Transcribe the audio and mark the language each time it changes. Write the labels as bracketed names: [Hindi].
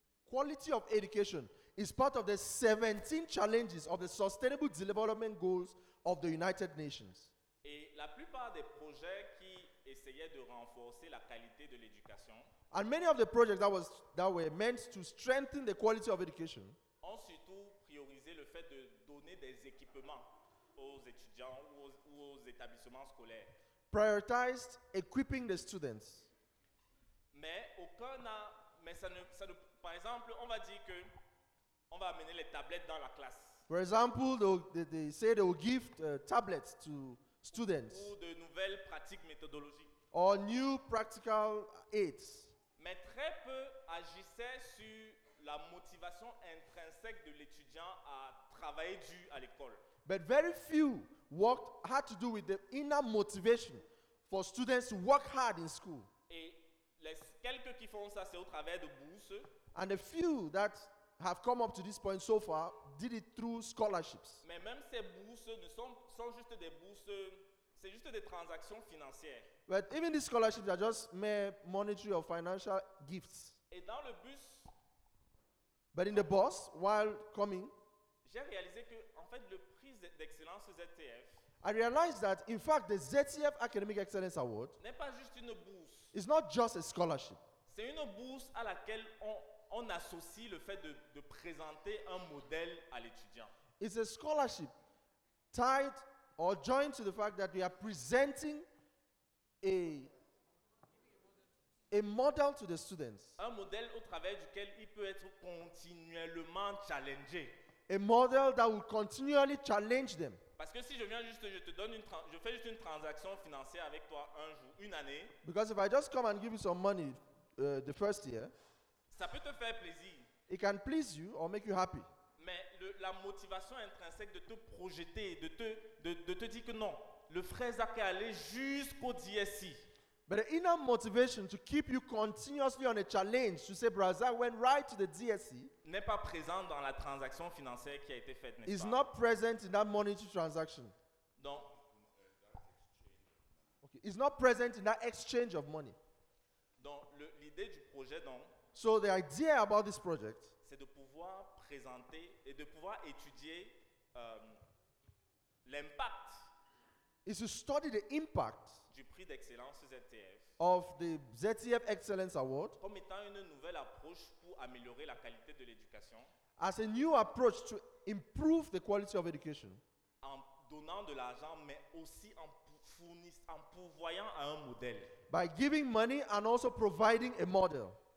[English] Quality of education is part of the 17 challenges of the sustainable development goals of the United Nations. [French] Et la plupart des projets qui essayaient de renforcer la qualité de l'éducation. [English] And many of the projects that were meant to strengthen the quality of education. [French] Ont surtout priorisé le fait de donner des équipements aux étudiants ou aux établissements scolaires. [English] Prioritized equipping the students. [French] Mais par exemple, on va dire que on va amener les tablettes dans la classe. [English] For example, they say they will give tablets to students. [French] Ou de nouvelles pratiques méthodologiques. [English] Or new practical aids. [French] Mais très peu agissait sur la motivation intrinsèque de l'étudiant à travailler dur à l'école. [English] But very few worked had to do with the inner motivation for students to work hard in school. [French] Et les quelques qui font ça, c'est au travers de bourses. [English] And a few that have come up to this point so far did it through scholarships. [French] Mais même ces bourses ne sont juste des bourses, c'est juste des transactions financières. [English] But even these scholarships are just mere monetary or financial gifts. [French] Et dans le bus, [English] but in the bus, while coming, [French] j'ai réalisé que en fait le prix d'excellence ZTF, [English] I realized that in fact the ZTF Academic Excellence Award [French] n'est pas juste une bourse. [English] It's not just a scholarship. [French] C'est une bourse à laquelle on associe le fait de présenter un modèle à l'étudiant. [English] It's a scholarship tied or joined to the fact that we are presenting a a model to the students. [French] Un modèle au travers duquel il peut être continuellement challengé. [English] A model that will continually challenge them. [French] Parce que si je viens juste, je te donne une, je fais juste une transaction financière avec toi un jour, une année. [English] Because if I just come and give you some money, the first year. [French] Ça peut te faire plaisir. [English] It can please you or make you happy. [French] Mais le, la motivation intrinsèque de te projeter, de te dire que non, le frère Zach est allé jusqu'au DSI. [English] But the inner motivation to keep you continuously on a challenge to say, brother, I went right to the DSE. [French] N'est pas présent dans la transaction financière qui a été faite. [English] Is not present in that monetary transaction. [French] Non. [English] Okay. Is not present in that exchange of money. [French] Donc, le, l'idée du projet, donc. [English] So the idea about this project. [French] C'est de pouvoir présenter et de pouvoir étudier l'impact. [English] Is to study the impact [French] du prix d'excellence ZTF [English] of the ZTF Excellence Award [French] comme étant une nouvelle approche pour améliorer la qualité de l'éducation [English] as a new approach to improve the quality of education [French] en donnant de l'argent mais aussi en fournissant en pourvoyant à un modèle [English] by giving money and also providing a model